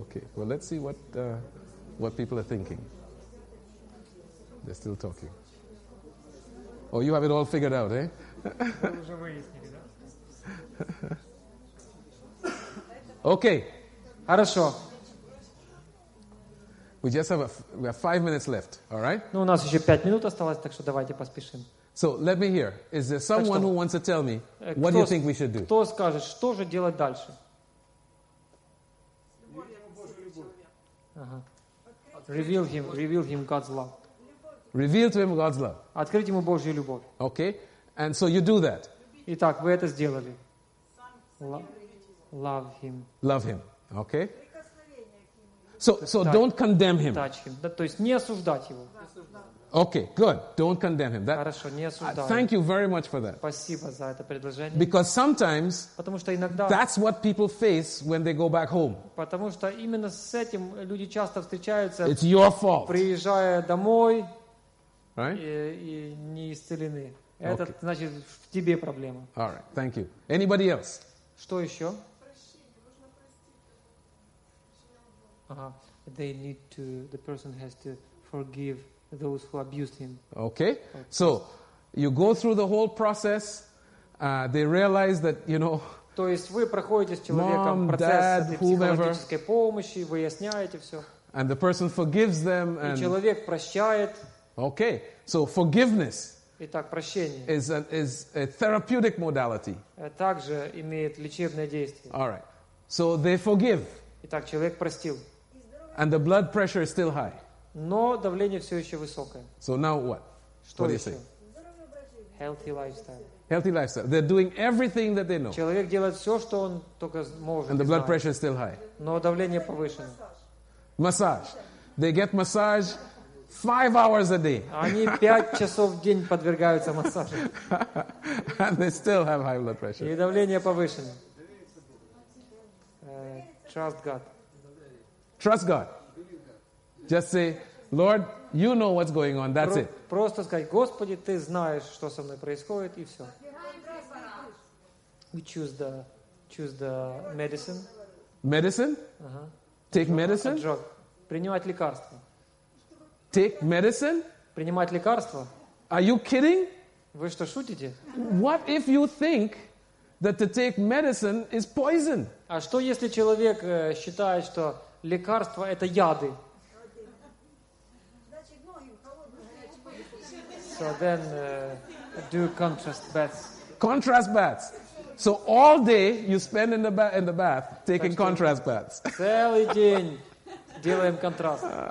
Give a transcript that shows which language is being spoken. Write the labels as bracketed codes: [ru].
[en] Okay. Well, let's see what people are thinking. They're still talking. Oh, you have it all figured out, eh? Okay. [ru] Хорошо. [en] We just have we have 5 minutes left, all right? [ru] Ну, у нас еще 5 минут осталось, так что давайте поспешим. [en] So let me hear. Is there someone who wants to tell me what do you think we should do? [ru] Кто скажет, что же делать дальше? [en] Reveal him. Reveal him God's love. Reveal to him God's love. [ru] Открыть ему Божью любовь. [en] Okay. And so you do that. [ru] Итак, вы это сделали. [en] Love him. Love him. Okay. So don't condemn him. [ru] То есть не осуждать его. [en] Okay, good. Don't condemn him. [ru] Хорошо, не осуждаю. [en] Thank you very much for that. [ru] Спасибо за это предложение. [en] Because sometimes, [ru] потому что иногда, [en] that's what people face when they go back home. [ru] Потому что именно с этим люди часто встречаются. [en] It's your fault. [ru] Приезжая домой, [en] right? [ru] И не исцелены. Это значит в тебе проблема. [en] All right, thank you. Anybody else? [ru] Что еще? [en] They need to. The person has to forgive those who abused him. Okay, so you go through the whole process. They realize that, you know. [ru] То есть вы проходите с человеком процесс психологической помощи, выясняете все. [en] And the person forgives them. [ru] И человек прощает. [en] Okay, so forgiveness. [ru] Итак, прощение. [en] Is a therapeutic modality. [ru] Также имеет лечебное действие. [en] All right, so they forgive. [ru] Итак, человек простил. [en] And the blood pressure is still high. [ru] Но давление все еще высокое. [en] So now what? [ru] Что [en] what [ru] еще? [en] Healthy lifestyle. Healthy lifestyle. They're doing everything that they know. [ru] Человек делает все, что он только может. [en] And the blood pressure is still high. [ru] Но давление повышено. [en] Massage. They get massage 5 hours a day. [ru] Они 5 часов в день подвергаются массажу. [en] And they still have high blood pressure. [ru] И давление повышено. [en] Trust God. Trust God. Just say, Lord, you know what's going on. That's it. [ru] Просто сказать, Господи, ты знаешь, что со мной происходит, и все. [en] We choose the medicine. Medicine? Uh-huh. Take medicine? Drug. [ru] Принимать лекарства. [en] Take medicine? [ru] Принимать лекарства? [en] Are you kidding? [ru] Вы что, шутите? [en] What if you think that to take medicine is poison? [ru] А что, если человек считает, что лекарства – это яды? [en] So then, do contrast baths. Contrast baths. So all day you spend in the bath taking contrast baths. [ru] Целый день делаем контраст.